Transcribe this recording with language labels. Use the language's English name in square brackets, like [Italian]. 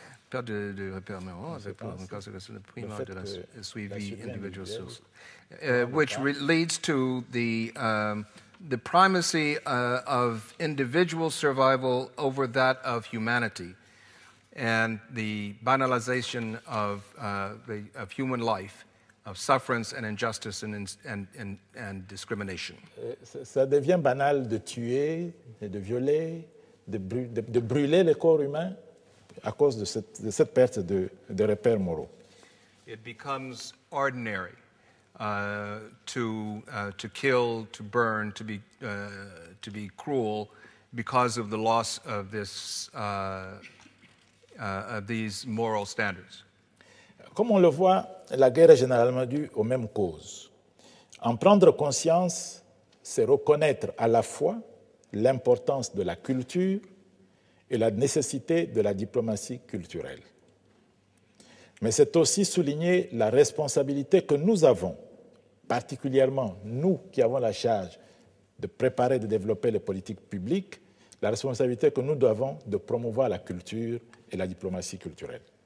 [French] Perte de repère moral, c'est pour une conséquence de prime de la suivi individual source. [English] Which leads to the primacy of individual survival over that of humanity and the banalization of human life, of suffering and injustice and discrimination. [French] Ça devient banal de tuer et de violer, de brûler les corps humains à cause de cette perte de repères moraux. [English] It becomes ordinary to kill, to burn, to be cruel because of the loss of these moral standards. [French] Comme on le voit, la guerre est généralement due aux mêmes causes. En prendre conscience, c'est reconnaître à la fois l'importance de la culture et la nécessité de la diplomatie culturelle. Mais c'est aussi souligner la responsabilité que nous avons, particulièrement nous qui avons la charge de préparer et de développer les politiques publiques, la responsabilité que nous avons de promouvoir la culture et la diplomatie culturelle.